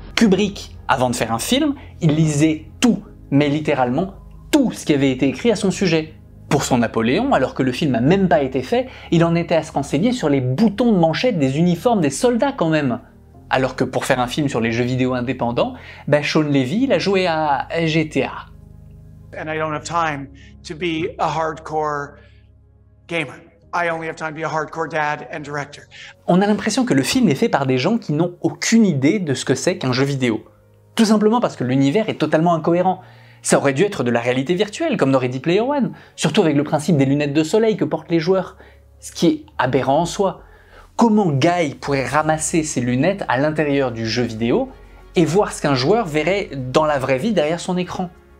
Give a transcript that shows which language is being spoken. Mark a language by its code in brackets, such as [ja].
[fr] Kubrick, avant de faire un film, il lisait tout, mais littéralement tout ce qui avait été écrit à son sujet. Pour son Napoléon, alors que le film a même pas été fait, il en était à se renseigner sur les boutons de manchette des uniformes des soldats quand même. Alors que pour faire un film sur les jeux vidéo indépendants, bah Sean Levy l'a joué à GTA. [en] And I don't have time to be a hardcore gamer. I only have time to be a hardcore dad and director. [fr] On a l'impression que le film est fait par des gens qui n'ont aucune idée de ce que c'est qu'un jeu vidéo. Tout simplement parce que l'univers est totalement incohérent. Ça aurait dû être de la réalité virtuelle, comme dans Ready Player One, surtout avec le principe des lunettes de soleil que portent les joueurs. Ce qui est aberrant en soi. Comment Guy pourrait ramasser ses lunettes à l'intérieur du jeu vidéo et voir ce qu'un joueur verrait dans la vraie vie derrière son écran?